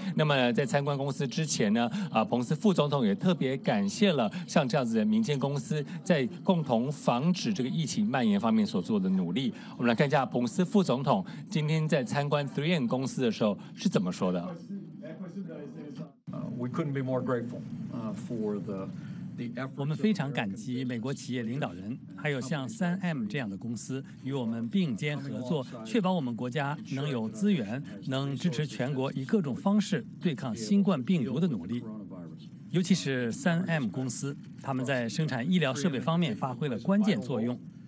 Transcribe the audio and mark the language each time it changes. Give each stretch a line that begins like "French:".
Chinese: 那么在参观公司之前呢，彭斯副总统也特别感谢了像这样子的民间公司在共同防止这个疫情蔓延方面所做的努力。我们来看一下彭斯副总统今天在参观 3M 公司的时候是怎么说的。
English: We couldn't be more grateful for the effort.
Chinese: 我们非常感激美国企业领导人，还有像 3M 这样的公司与我们并肩合作，确保我们国家能有资源，能支持全国以各种方式对抗新冠病毒的努力。尤其是 3M 公司，他们在生产医疗设备方面发挥了关键作用。